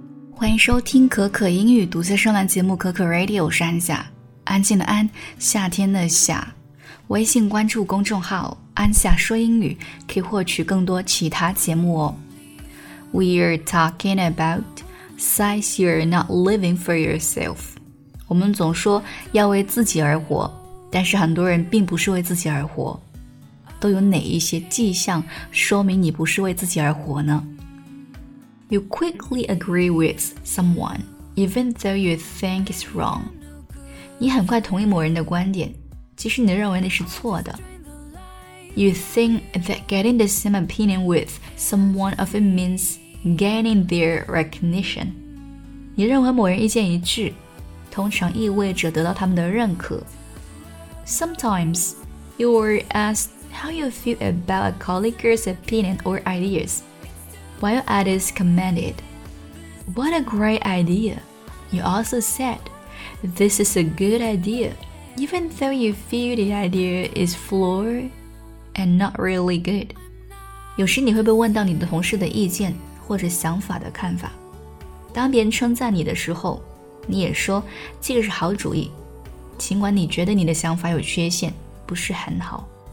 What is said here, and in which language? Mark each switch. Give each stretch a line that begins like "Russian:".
Chinese: 欢迎收听可可英语独家上栏节目可可 Radio， 我是安夏，安静的安，夏天的夏。微信关注公众号安夏说英语，可以获取更多其他节目哦。
English: We're talking about since you're not living for yourself.
Chinese: 我们总说要为自己而活，但是很多人并不是为自己而活。都有哪一些迹象说明你不是为自己而活呢？
English: You quickly agree with someone, even though you think it's wrong.
Chinese: 你很快同意某人的观点，即使你认为那是错的。
English: You think that getting the same opinion with someone often means gaining their recognition.
Chinese: 你认为某人意见一致，通常意味着得到他们的认可。
English: Sometimes, you are asked how you feel about a colleague's opinion or ideas. While others commented, What a great idea! You also said, This is a good idea, even though you feel the idea is flawed and not really good.
Chinese: 有时你会被问到你的同事的意见或者想法的看法。当别人称赞你的时候，你也说这个是好主意，尽管你觉得你的想法有缺陷，不是很好。